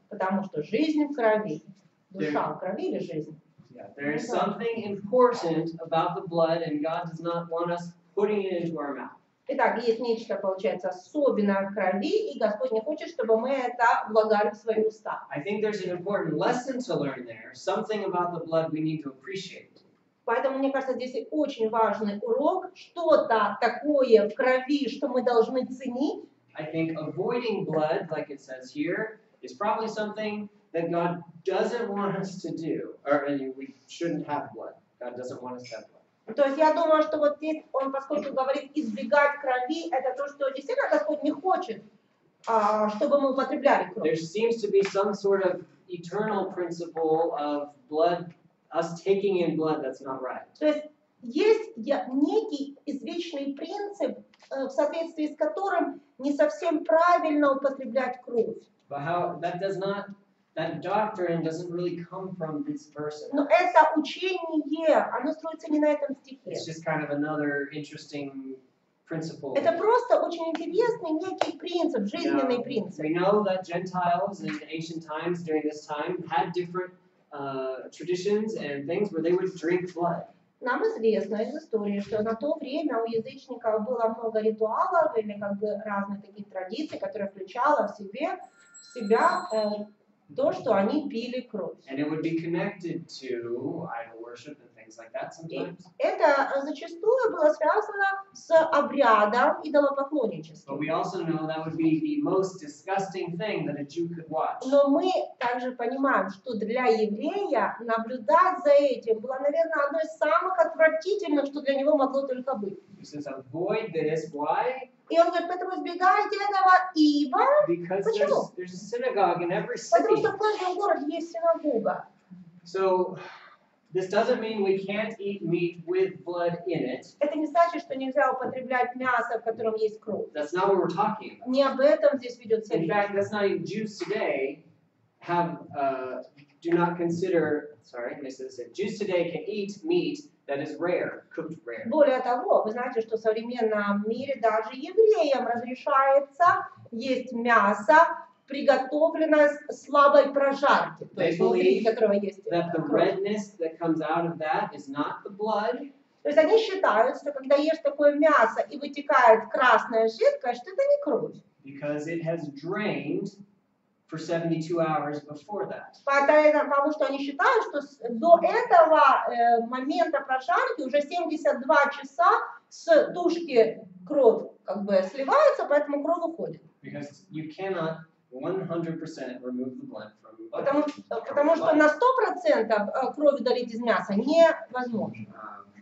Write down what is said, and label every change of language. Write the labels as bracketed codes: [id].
[ru] Потому что жизнь в крови. Душа в крови или жизнь? [en] Yeah. There is something important about the blood, and God does not want us putting it into our mouth. [ru] Итак, есть нечто, получается, особенное в крови, и Господь не хочет, чтобы мы это влагали в свои уста. [en] I think there's an important lesson to learn there. Something about the blood we need to appreciate. [ru] Поэтому, мне кажется, здесь очень важный урок. Что-то такое в крови, что мы должны ценить. [en] I think avoiding blood, like it says here, is probably something that God doesn't want us to do. Or we shouldn't have blood. God doesn't want us to have blood. [ru] То есть я думаю, что вот здесь он, поскольку говорит избегать крови, это то, что действительно Господь не хочет, чтобы мы употребляли кровь. [en] There seems to be some sort of eternal principle of blood, us taking in blood, that's not right. [ru] То есть есть некий извечный принцип, в соответствии с которым не совсем правильно употреблять кровь. [en] But how, that does not, that doctrine doesn't really come from this verse. [ru] Но это учение, оно строится не на этом стихе. [en] It's just kind of another interesting principle. [ru] Это просто очень интересный некий принцип, жизненный принцип. [en] We know that Gentiles in ancient times, during this time, had different traditions and things where they would drink blood. [ru] Нам известно из истории, что на то время у язычников было много ритуалов или как бы разных таких традиций, которые включала в себе в себя то, что они пили кровь. [en] And it would be connected to idol worship and things like that sometimes. [ru] Это зачастую было связано с обрядом идолопоклонничеством. [en] But we also know that would be the most disgusting thing that a Jew could watch. [ru] Но мы также понимаем, что для еврея наблюдать за этим было, наверное, одно из самых отвратительных, что для него могло только быть. [en] He says, avoid this, why? [ru] И он говорит, поэтому избегайте этого, ибо... [en] Because [ru] почему? [en] There's a synagogue in every city. [ru] Потому что в каждом городе есть синагога. [en] So, this doesn't mean we can't eat meat with blood in it. [ru] Это не значит, что нельзя употреблять мясо, в котором есть кровь. [en] That's not what we're talking about. [ru] Не об этом здесь ведется речь. [en] In fact, that's not even Jews today have, do not consider, sorry, I missed this, Jews today can eat meat that is rare, cooked rare. [ru] Более того, вы знаете, что в современном мире даже евреям разрешается есть мясо, приготовленное слабой прожарки, то есть внутри которого есть кровь. [en] That the redness that comes out of that is not the blood. [ru] То есть они считают, что когда ешь такое мясо и вытекает красная жидкость, что это не кровь. [en] Because it has drained for 72 hours before that. [ru] Потому что они считают, что до этого момента прожарки уже 72 часа с тушки кровь как бы сливается, поэтому кровь уходит. [en] Because you cannot 100% remove the blood from the body. [ru] Потому что на 100% кровь удалить из мяса невозможно.